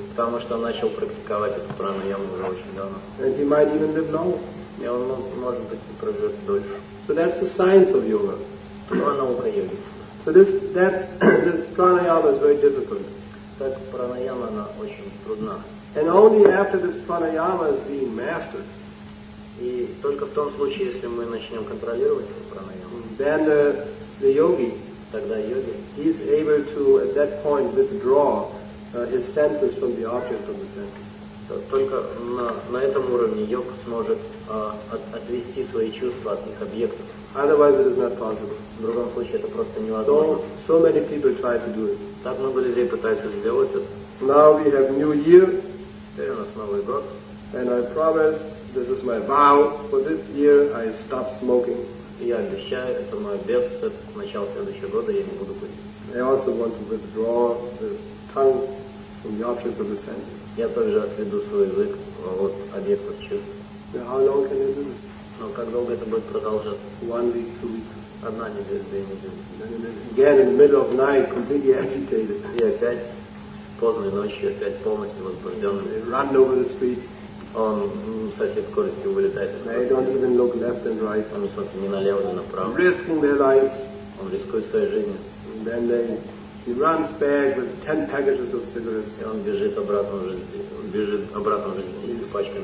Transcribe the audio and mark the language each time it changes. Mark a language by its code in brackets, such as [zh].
[ru] Потому что он начал практиковать эту пранаяму уже очень давно. [en] And he might even live long. [ru] И он, может быть, и проживет дольше. [en] So that's the science of yoga. [ru] Это наука йоги. [en] So this pranayama is very difficult. [ru] Так пранаяма, она очень трудна. [en] And only after this pranayama is being mastered. [ru] И только в том случае, если мы начнем контролировать эту пранаяму. [en] Then the yogi. [ru] Тогда йоги. [en] He's able to at that point withdraw his senses from the objects of the senses. [ru] Только на этом уровне йог сможет отвести свои чувства от их объектов. [en] Otherwise it is not possible. [ru] В другом случае это просто невозможно. [en] So many people try to do it. [ru] Так много людей пытаются сделать это. [en] Now we have New Year. [ru] Теперь у нас Новый год. [en] And I promise, this is my vow, for this year I stop smoking. [ru] Я обещаю, это мой обет, с начала следующего года я не буду курить. [en] I also want to withdraw the tongue from the objects of the senses. [ru] Я также отведу свой язык от объектов чувств. [en] So how long can I do this? [ru] Но как долго это будет продолжаться? [en] One week, 2 weeks. [ru] Одна неделя, 2 недели. [en] Again, in the middle of night, completely agitated. [ru] И опять, поздно ночью, опять полностью возбужденный. [en] Run over the street. [ru] Он со всей скоростью вылетает из города. [en] They don't even look left and right. [ru] Он смотрит ни налево, ни направо. [en] Risking their lives. [ru] Он рискует своей жизнью. [en] And then he runs back with 10 packages of cigarettes. [ru] И он бежит обратно уже здесь. Бежит обратно в жизни с пачками.